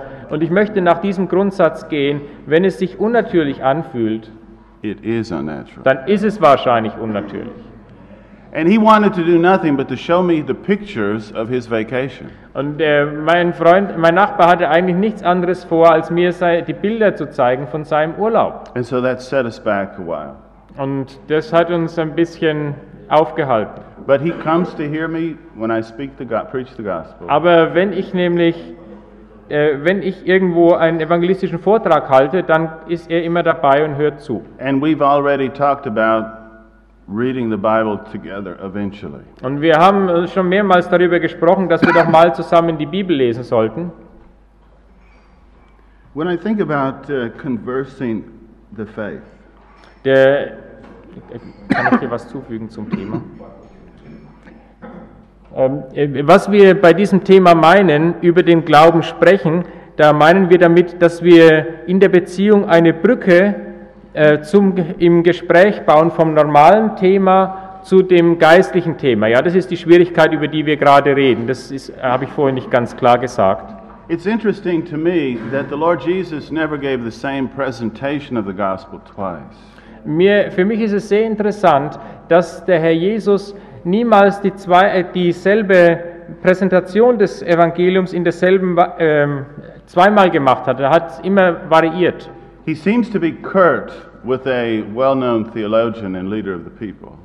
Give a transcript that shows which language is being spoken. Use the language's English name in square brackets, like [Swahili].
[German] und ich möchte nach diesem Grundsatz gehen, wenn es sich unnatürlich anfühlt, [English] it is unnatural. [German] Dann ist es wahrscheinlich unnatürlich. [English] And he wanted to do nothing but to show me the pictures of his vacation. [German] Und mein Nachbar hatte eigentlich nichts anderes vor, als mir die Bilder zu zeigen von seinem Urlaub. [English] And so that set us back a while. [German] Und das hat uns ein bisschen aufgehalten. [English] But he comes to hear me when I speak the preach the gospel. [German] Aber wenn ich nämlich wenn ich irgendwo einen evangelistischen Vortrag halte, dann ist er immer dabei und hört zu. [English] And we've already talked about reading the Bible together eventually. [German] Und wir haben schon mehrmals darüber gesprochen, dass wir doch mal zusammen die Bibel lesen sollten. [English] When I think about conversing the faith. [German] Kann ich dir was zufügen zum Thema? Was wir bei diesem Thema meinen, über den Glauben sprechen, da meinen wir damit, dass wir in der Beziehung eine Brücke im Gespräch bauen vom normalen Thema zu dem geistlichen Thema. Ja, das ist die Schwierigkeit, über die wir gerade reden. Das habe ich vorhin nicht ganz klar gesagt. [English] It's interesting to me that the Lord Jesus never gave the same presentation of the gospel twice. [German] Für mich ist es sehr interessant, dass der Herr Jesus niemals dieselbe Präsentation des Evangeliums in derselben zweimal gemacht hat. Er hat es immer variiert. [English] He seems to be curt with a well-known theologian and leader of the people.